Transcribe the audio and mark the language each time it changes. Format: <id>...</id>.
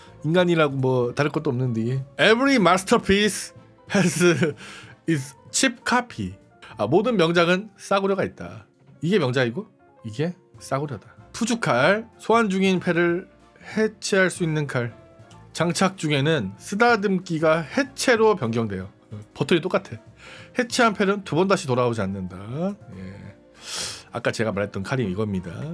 <ko>인간이라고 뭐 다를 것도 없는데.</ko> <en>Every masterpiece has its cheap copy.</en> <ko>아, 모든 명작은 싸구려가 있다. 이게 명작이고 이게 싸구려다. 푸주칼, 소환 중인 패를 해체할 수 있는 칼. 장착 중에는 쓰다듬기가 해체로 변경돼요. 버튼이 똑같아. 해체한 패는 두 번 다시 돌아오지 않는다. 예. 아까 제가 말했던 칼이 이겁니다.</ko>